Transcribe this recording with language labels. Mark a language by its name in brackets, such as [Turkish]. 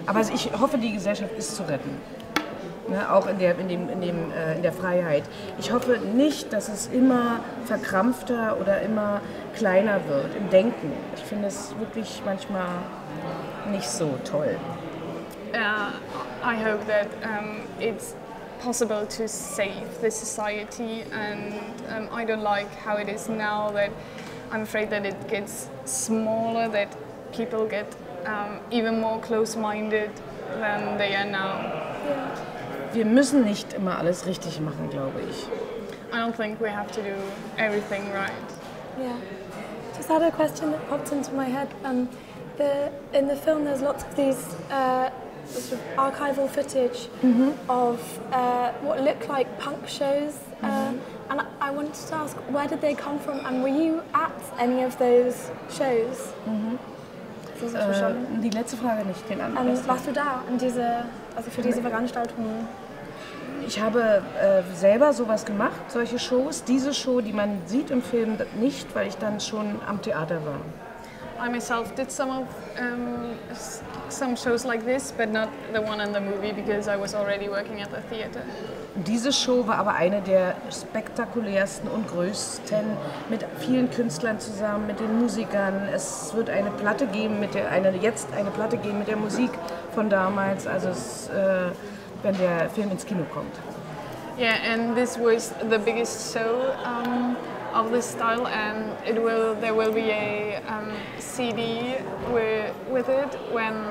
[German] Aber ich hoffe, die Gesellschaft ist zu retten. Ne, auch in der Freiheit. Ich hoffe nicht, dass es immer verkrampfter oder immer kleiner wird im Denken. Ich finde es wirklich manchmal nicht so toll. [English] I hope that it's possible to save the society, and I don't like how it is now, that I'm afraid that it gets smaller, that people get even more close-minded than they are now. [German] Wir müssen nicht immer alles richtig machen, glaube ich. [English] I don't think we have to do everything right. Yeah. Just had a question that popped into my head. In the film there's lots of these sort of archival footage mm-hmm. of what looked like punk shows. Mm-hmm. And I wanted to ask, where did they come from? And were you at any of those shows? [German] Mm-hmm. Die letzte Frage nicht, den anderen. Warst du da an diese also für diese Veranstaltungen? Ich habe selber sowas gemacht, solche Shows. Diese Show, die man sieht im Film, nicht, weil ich dann schon am Theater war. [English] I myself did some of some shows like this, but not the one in the movie, because I was already working at the theater. [German] Diese Show war aber eine der spektakulärsten und größten, mit vielen Künstlern zusammen, mit den Musikern. Es wird eine Platte geben mit der, eine Platte geben mit der Musik von damals. Also es, wenn der Film ins Kino kommt. [English] Yeah, and this was the biggest show of this style, and it will there will be a CD with it when